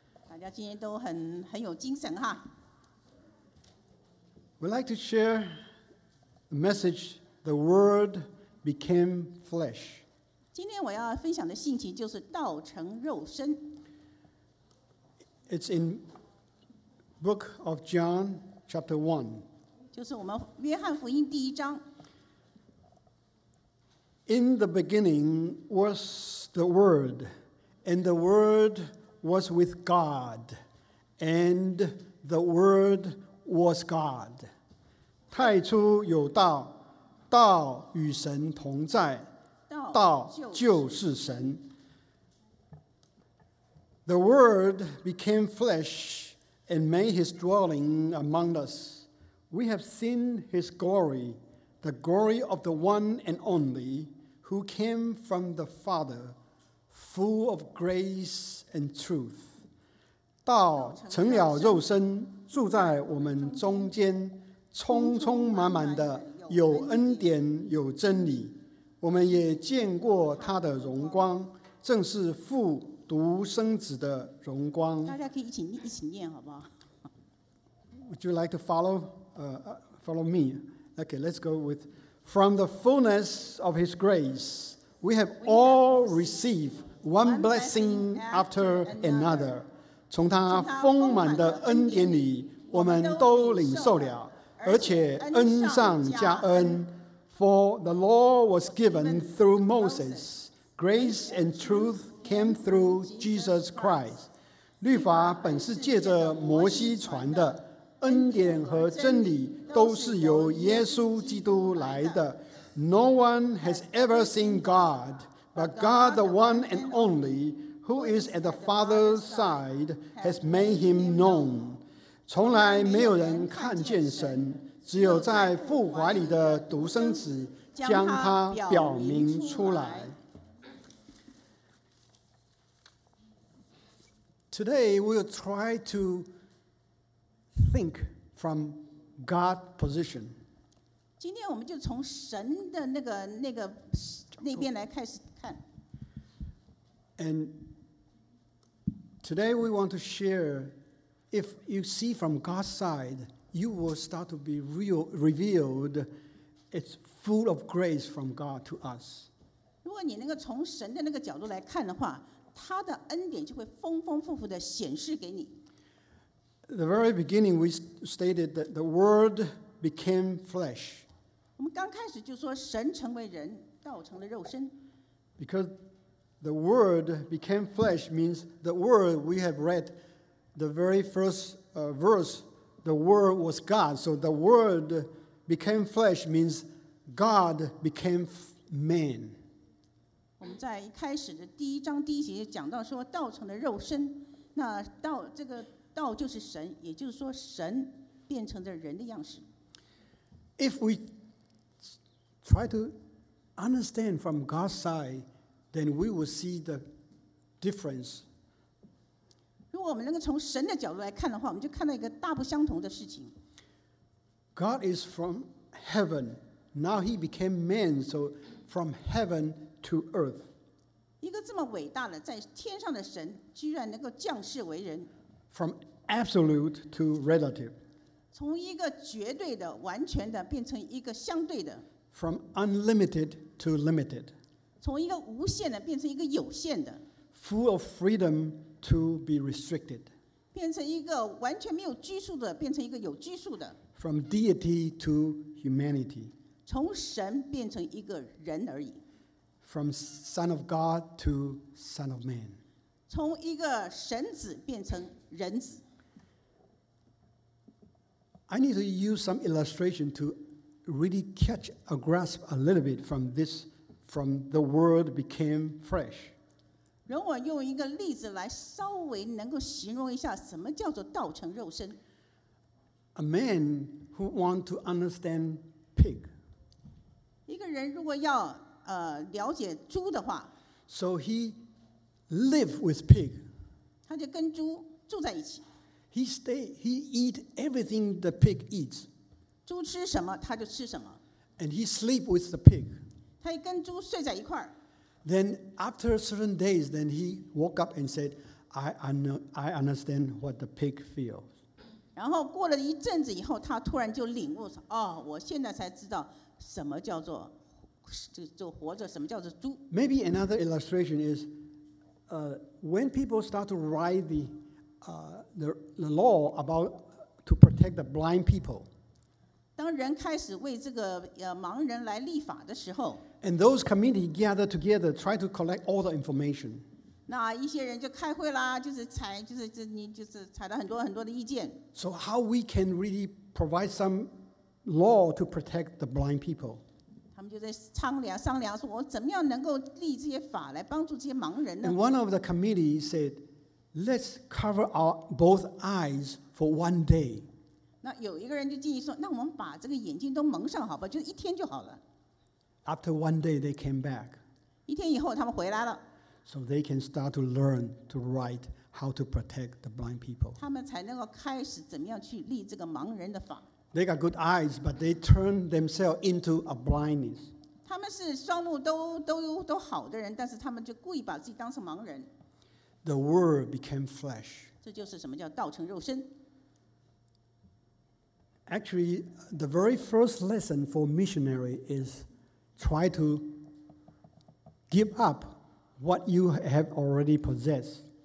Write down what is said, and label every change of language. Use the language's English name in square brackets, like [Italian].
[Chinese] 大家今天都很有精神哈。 [English] We'd like to share a message, the word became flesh. [Chinese] 今天我要分享的信息就是道成肉身。 [English] It's in book of John, chapter 1. [Chinese] 就是我们约翰福音第一章。 [English] In the beginning was the Word, and the Word was with God, and the Word was God. [Chinese] 太初有道，道与神同在，道就是神。 [English] The Word became flesh and made his dwelling among us. We have seen his glory, the glory of the one and only. Who came from the Father, full of grace and truth. [Chinese] 道成了肉身，住在我们中间，充充满满的，有恩典，有真理。我们也见过他的荣光，正是父独生子的荣光。大家可以一起念，好不好？ [English] Would you like to follow me? Okay, let's go with... From the fullness of his grace, we have all received one blessing after another. [Chinese] 从他丰满的恩典里，我们都领受了，而且恩上加恩。 [English] For the law was given through Moses. Grace and truth came through Jesus Christ. [Chinese] 律法本是借着摩西传的。恩典和真理都是由耶稣基督来的。 [English] No one has ever seen God, but God, the one and only, who is at the Father's side, has made him known. [Chinese] 从来没有人看见神，只有在父怀里的独生子将他表明出来。 [English] Today we'll try to. Think from God's position. [Chinese] 今天我们就从神的那个那边来开始看。 [English] And today we want to share. If you see from God's side, you will start to be revealed. It's full of grace from God to us. [Chinese] 如果你能够从神的那个角度来看的话，他的恩典就会丰丰富富的显示给你。 [English] The very beginning, we stated that the Word became flesh. [Chinese] 我们刚开始就说神成为人，道成了肉身。 [English] Because the Word became flesh means the Word we have read, the very first verse, the Word was God. So the Word became flesh means God became man. [Chinese] 我们在一开始的第一章第一节讲到说道成了肉身，那道这个。道就是神，也就是说神变成了人的样式。 [English] If we try to understand from God's side, then we will see the difference. [Chinese] 如果我们能够从神的角度来看的话，我们就看到一个大不相同的事情。 [English] God is from heaven. Now he became man, so from heaven to earth. [Chinese] 一个这么伟大的在天上的神，居然能够降世为人。 [English] From absolute to relative. [Chinese] 从一个绝对的、完全的变成一个相对的。 [English] From unlimited to limited. [Chinese] 从一个无限的变成一个有限的。 [English] Full of freedom to be restricted. [Chinese] 变成一个完全没有拘束的变成一个有拘束的。 [English] From deity to humanity. [Chinese] 从神变成一个人而已。 [English] From son of God to son of man. [Chinese] 从一个神子变成人子。 [English] I need to use some illustration to really catch a grasp a little bit from this, from the word became fresh. [Chinese] 让我用一个例子来稍微能够形容一下什么叫做道成肉身。 [English] A man who want to understand pig. [Chinese] 一个人如果要了解猪的话。 [English] So he. Live with pig. [Chinese] 他就跟猪住在一起。 [English] He eat everything the pig eats. [Chinese] 猪吃什么，他就吃什么。 [English] And he sleep with the pig. [Chinese] 他跟猪睡在一块儿。 [English] Then after certain days, then he woke up and said, I understand what the pig feels. [Chinese] 然后过了一阵子以后，他突然就领悟说，哦，我现在才知道什么叫做就活着，什么叫做猪。 [English] Maybe another illustration is, when people start to write the law about to protect the blind people. [Chinese] 当人开始为这个盲人来立法的时候 [English] ，and those committee gather together, try to collect all the information. [Chinese] 那一些人就开会啦，就是采，就是这你就是采到很多很多的意见。 [English] So how we can really provide some law to protect the blind people? [Chinese] 他们就在商量说，我怎么样能够立这些法来帮助这些盲人呢 [English] ？And one of the committee said, "Let's cover our both eyes for one day." [Chinese] 那有一个人就建议说，那我们把这个眼睛都蒙上好吧，就是一天就好了。 [English] After one day, they came back. [Chinese] 一天以后，他们回来了。 [English] So they can start to learn to write how to protect the blind people. [Chinese] 他们才能够开始怎么样去立这个盲人的法。 [English] They got good eyes, but they turn themselves into a blindness. [Chinese] 他们是双目都好的人，但是他们就故意把自己当成盲人。 [English] The word became flesh. [Chinese] 这就是什么叫道成肉身。 [English] Actually, the very first lesson for missionary is try to give up what you have already possessed.